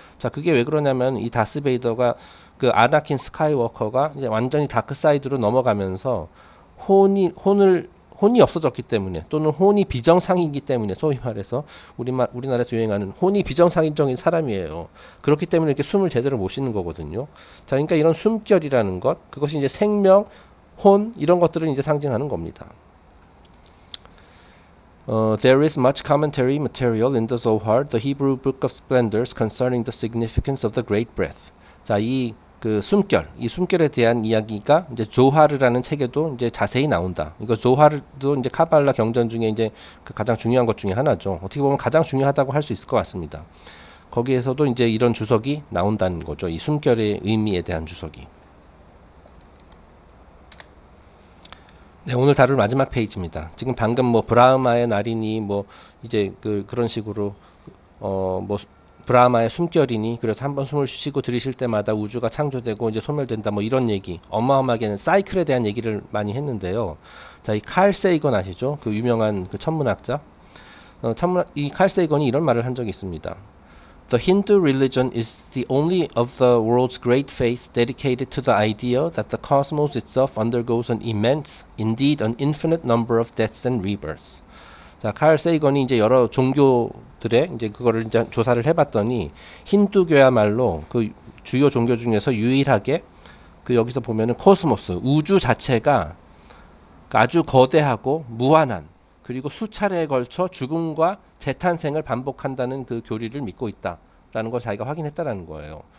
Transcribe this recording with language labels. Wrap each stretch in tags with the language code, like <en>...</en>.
<ko>자, 그게 왜 그러냐면 이 다스베이더가 그 아나킨 스카이워커가 이제 완전히 다크사이드로 넘어가면서 혼이 없어졌기 때문에 또는 혼이 비정상이기 때문에 소위 말해서 우리나라에서 유행하는 혼이 비정상적인 사람이에요. 그렇기 때문에 이렇게 숨을 제대로 못 쉬는 거거든요. 자, 그러니까 이런 숨결이라는 것, 그것이 이제 생명, 혼 이런 것들을 이제 상징하는 겁니다.</ko> <en>There is much commentary material in the Zohar, the Hebrew Book of Splendors, concerning the significance of the Great Breath.</en> <ko>자, 이그 숨결, 이 숨결에 대한 이야기가 이제 조하르라는 책에도 이제 자세히 나온다. 이거 조하르도 이제 카발라 경전 중에 이제 그 가장 중요한 것 중에 하나죠. 어떻게 보면 가장 중요하다고 할수 있을 것 같습니다. 거기에서도 이제 이런 주석이 나온다는 거죠. 이 숨결의 의미에 대한 주석이. 네, 오늘 다룰 마지막 페이지입니다. 지금 방금 뭐 브라흐마의 날이니 뭐 이제 그런 식으로 브라마의 숨결이니 그래서 한번 숨을 쉬고 들이쉴 때마다 우주가 창조되고 이제 소멸된다 뭐 이런 얘기 어마어마하게는 사이클에 대한 얘기를 많이 했는데요. 자, 이칼 세이건 아시죠? 그 유명한 그 천문학자. 이칼 세이건이 이런 말을 한 적이 있습니다.</ko> <en>The Hindu religion is the only of the world's great faith dedicated to the idea that the cosmos itself undergoes an immense, indeed an infinite number of deaths and rebirths.</en> <ko>자, 칼 세이건이 이제 여러 종교들의 이제 그거를 이제 조사를 해봤더니 힌두교야말로 그 주요 종교 중에서 유일하게 그 여기서 보면은 코스모스 우주 자체가 아주 거대하고 무한한 그리고 수차례에 걸쳐 죽음과 재탄생을 반복한다는 그 교리를 믿고 있다라는 걸 자기가 확인했다라는 거예요.</ko>